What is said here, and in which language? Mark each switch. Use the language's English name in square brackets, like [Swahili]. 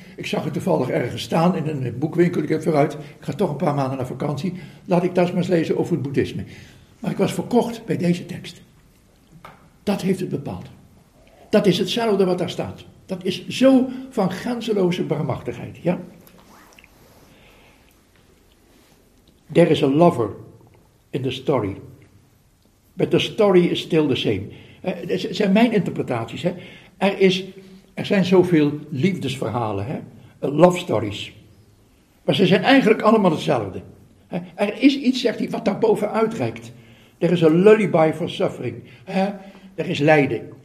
[Dutch] Ik zag het toevallig ergens staan in een boekwinkel. Ik heb vooruit. Ik ga toch een paar maanden naar vakantie. Laat ik dat maar eens lezen over het boeddhisme. Maar ik was verkocht bij deze tekst. Dat heeft het bepaald. Dat is hetzelfde wat daar staat. Dat is zo van grenzeloze barmhartigheid. Ja? [English] There is a lover in the story. But the story is still the same. [Dutch] Het zijn mijn interpretaties. Hè? Er zijn zoveel liefdesverhalen. Hè? [English] Love stories. [Dutch] Maar ze zijn eigenlijk allemaal hetzelfde. Hè? Er is iets, zegt hij, wat daarboven uitreikt. Er is een [English] lullaby for suffering. [Dutch] Hè? Er is lijden.